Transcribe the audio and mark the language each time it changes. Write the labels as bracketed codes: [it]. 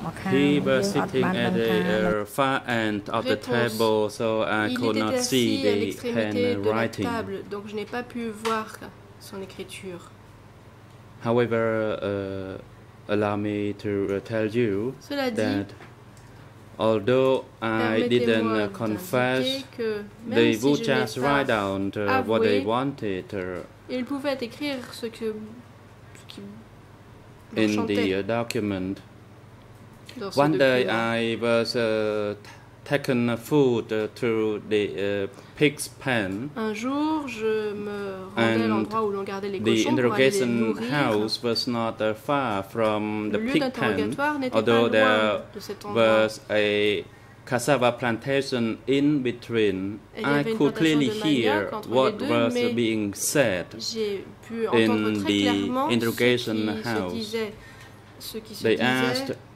[en] He was sitting at the far end of the table, so I could not see the handwriting. [fr] Donc je n'ai pas pu voir son écriture. [en] However, allow me to tell you that although I didn't confess, they would just write down what they wanted. [fr] Il pouvait écrire ce que ce qui [en] in the document. One day I was taken food to the pig's pen. [fr] Un jour, je me rendais à l'endroit où l'on gardait les cochons. [en] The interrogation house was not far from the pig pen. Although there was a cassava plantation in between, I could clearly hear what was being said in the interrogation house. They asked